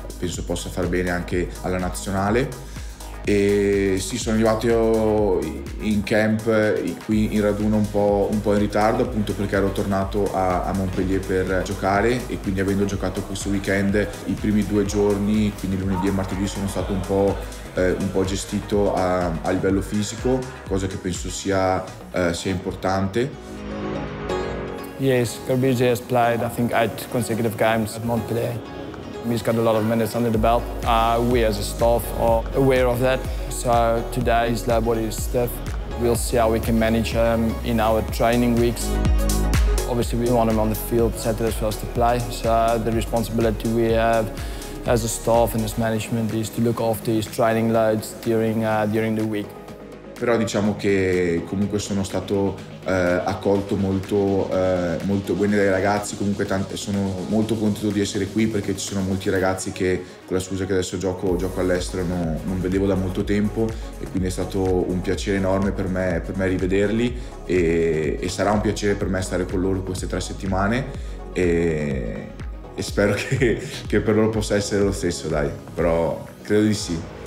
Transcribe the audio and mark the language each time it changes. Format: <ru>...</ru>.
<it>penso possa far bene anche alla nazionale. E sì, sono arrivato in camp qui in raduno un po' in ritardo, appunto perché ero tornato a Montpellier per giocare e quindi avendo giocato questo weekend i primi 2 giorni, quindi lunedì e martedì, sono stato un po' gestito a livello fisico, cosa che penso sia importante.</it> <en>Yes, Garbizzi has played I think 8 consecutive games at Montpellier. He's got a lot of minutes under the belt. We as a staff are aware of that. So today his lower body is stiff. We'll see how we can manage him in our training weeks. Obviously we want him on the field Saturday for us to play. So the responsibility we have as a staff and as management is to look after his training loads during the week.</en> <it>Però diciamo che comunque sono stato accolto molto, molto bene dai ragazzi, comunque sono molto contento di essere qui perché ci sono molti ragazzi che, con la scusa che adesso gioco all'estero, non vedevo da molto tempo e quindi è stato un piacere enorme per me rivederli e sarà un piacere per me stare con loro queste 3 settimane e spero che per loro possa essere lo stesso, dai, però credo di sì.</it>